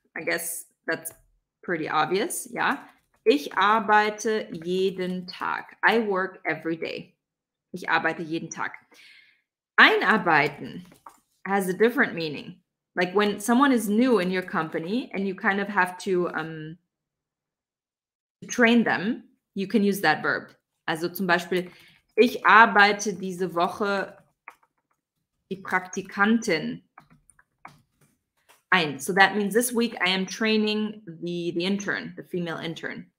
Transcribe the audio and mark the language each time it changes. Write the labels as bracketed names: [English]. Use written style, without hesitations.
[English] I guess that's pretty obvious, yeah. [German] Ich arbeite jeden Tag. [English] I work every day. [German] Ich arbeite jeden Tag. [English] Einarbeiten has a different meaning. Like when someone is new in your company and you kind of have to train them, you can use that verb. [German] Also zum Beispiel, ich arbeite diese Woche die Praktikantin ein. [English] So that means this week I am training the intern, the female intern.